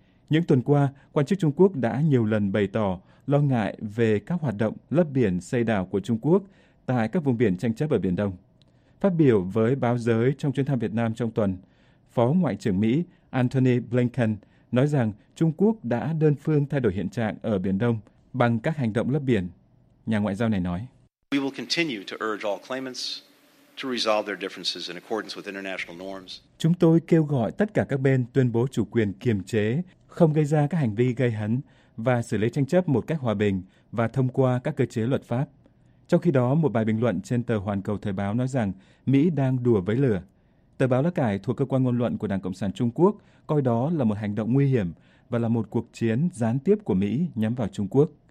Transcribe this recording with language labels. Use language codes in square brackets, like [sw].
[vi] Những tuần qua, quan chức Trung Quốc đã nhiều lần bày tỏ lo ngại về các hoạt động lấp biển xây đảo của Trung Quốc tại các vùng biển tranh chấp ở Biển Đông. Phát biểu với báo giới trong chuyến thăm Việt Nam trong tuần, Phó Ngoại trưởng Mỹ Antony Blinken nói rằng Trung Quốc đã đơn phương thay đổi hiện trạng ở Biển Đông bằng các hành động lấp biển. Nhà ngoại giao này nói, [en] "We will continue to urge all claimants to resolve their differences in accordance with international norms." [vi] Chúng tôi kêu gọi tất cả các bên tuyên bố chủ quyền kiềm chế, không gây ra các hành vi gây hấn và xử lý tranh chấp một cách hòa bình và thông qua các cơ chế luật pháp. Trong khi đó, một bài bình luận trên tờ Hoàn Cầu Thời báo nói rằng Mỹ đang đùa với lửa. Tờ báo Lá Cải thuộc cơ quan ngôn luận của Đảng Cộng sản Trung Quốc coi đó là một hành động nguy hiểm và là một cuộc chiến gián tiếp của Mỹ nhắm vào Trung Quốc.